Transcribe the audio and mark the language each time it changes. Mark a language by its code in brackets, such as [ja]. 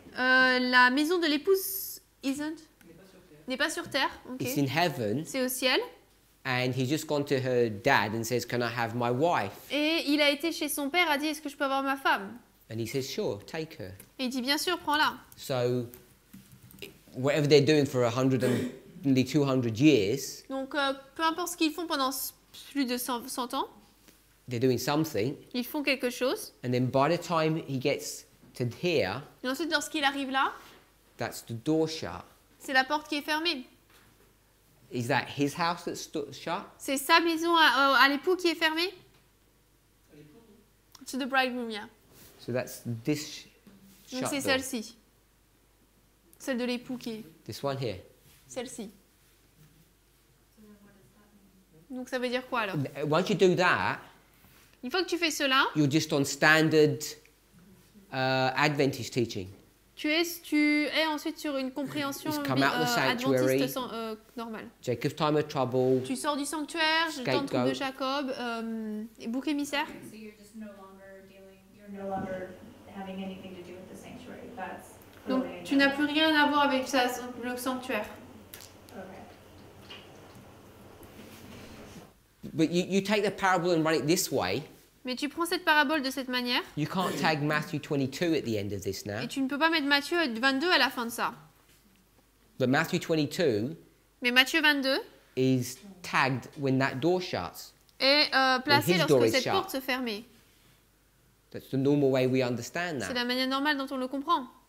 [fr] La maison de l'épouse isn't, n'est pas sur terre. [en] Okay. It's in heaven. [fr] C'est au ciel. [en] And he's just gone to her dad and says, can I have my wife? [fr] Et il a été chez son père, a dit, est-ce que je peux avoir ma femme? [en] And he says, sure, take her. [fr] Et il dit, bien sûr, prends-la. [en] So, whatever they're doing for 100 and nearly 200 years, [fr] donc, peu importe ce qu'ils font pendant plus de 100 ans, [en] they're doing something. [fr] Ils font quelque chose. [en] And then by the time he gets to here, [fr] et ensuite lorsqu'il arrive là, [en] that's the door shut. [fr] C'est la porte qui est fermée. [en] Is that his house that's shut? [fr] C'est sa maison à l'époux qui est fermée? [en] To the bridegroom, yeah. So that's this shut [fr] door. Donc c'est celle-ci. Celle de l'époux qui est... [en] This one here. [fr] Celle-ci. Donc ça veut dire quoi alors? [en] Once you do that, [fr] une fois que tu fais cela, [en] you're just on standard Adventist teaching. [fr] Tu es ensuite sur une compréhension adventiste normale. [en] Jacob's time of trouble. [fr] Tu sors du sanctuaire, le temps de trouble de Jacob, bouc émissaire. [en] Okay, so you're just no longer dealing, you're no longer having anything to do with the sanctuary. That's the [fr] donc tu n'as plus rien à voir avec ça, le sanctuaire. [en] But you take the parable and run it this way. [fr] Mais tu prends cette parabole de cette manière. [en] You can't tag Matthew 22 at the end of this now. [fr] Et tu ne peux pas mettre Matthieu 22 à la fin de ça. [en] But Matthew 22. [fr] Mais Matthieu 22. [en] Is tagged when that door shuts. [fr] Et placé lorsque cette porte se ferme. [en] That's the normal way we understand that. [fr] C'est la manière normale dont on le comprend.